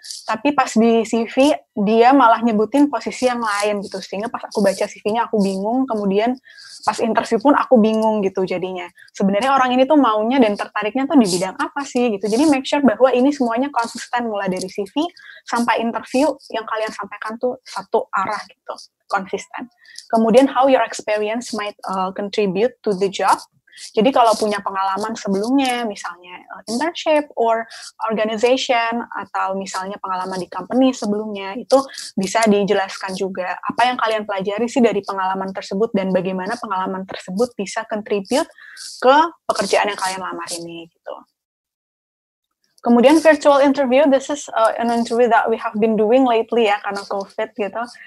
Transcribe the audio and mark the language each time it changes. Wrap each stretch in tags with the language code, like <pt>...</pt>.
<id>tapi pas di CV dia malah nyebutin posisi yang lain gitu, sehingga pas aku baca CV-nya aku bingung, kemudian pas interview pun aku bingung gitu jadinya. Sebenarnya orang ini tuh maunya dan tertariknya tuh di bidang apa sih gitu. Jadi make sure bahwa ini semuanya konsisten mulai dari CV sampai interview yang kalian sampaikan tuh satu arah gitu, konsisten.</id> <en>Kemudian how your experience might contribute to the job.</en> <id>Jadi kalau punya pengalaman sebelumnya, misalnya internship or organization, atau misalnya pengalaman di company sebelumnya, itu bisa dijelaskan juga apa yang kalian pelajari sih dari pengalaman tersebut, dan bagaimana pengalaman tersebut bisa contribute ke pekerjaan yang kalian lamar ini, gitu.</id> <en>Kemudian virtual interview, this is an interview that we have been doing lately ya, karena COVID gitu.</en>